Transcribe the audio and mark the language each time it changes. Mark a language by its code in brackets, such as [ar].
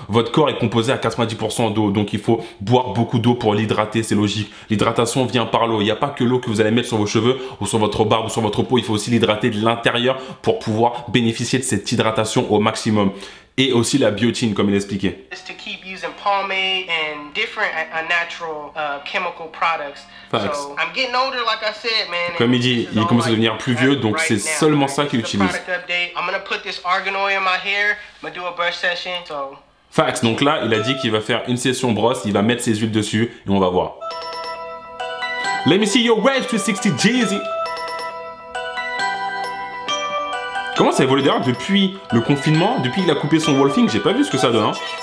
[fr] Votre corps est composé à 90% d'eau, donc il faut boire beaucoup d'eau pour l'hydrater, c'est logique. L'hydratation vient par l'eau, il n'y a pas que l'eau que vous allez mettre sur vos cheveux ou sur votre barbe ou sur votre peau, il faut aussi l'hydrater de l'intérieur pour pouvoir bénéficier de cette hydratation au maximum. Et aussi la biotine, comme il expliquait. [en] To keep using pomade and different natural chemical products. Facts. So, I'm getting older, like I said, man. [fr] Comme il dit, il commence à devenir plus vieux, donc c'est seulement ça qu'il utilise. [en] I'm gonna put this argan oil in my hair. I'm gonna do a brush session. So. Facts. [fr] Donc là, il a dit qu'il va faire une session brosse. Il va mettre ses huiles dessus et on va voir. [en] Let me see your wave 360 Jeezy. [fr] Comment ça évolue d'ailleurs depuis le confinement, depuis qu'il a coupé son wolfing, j'ai pas vu ce que ça donne.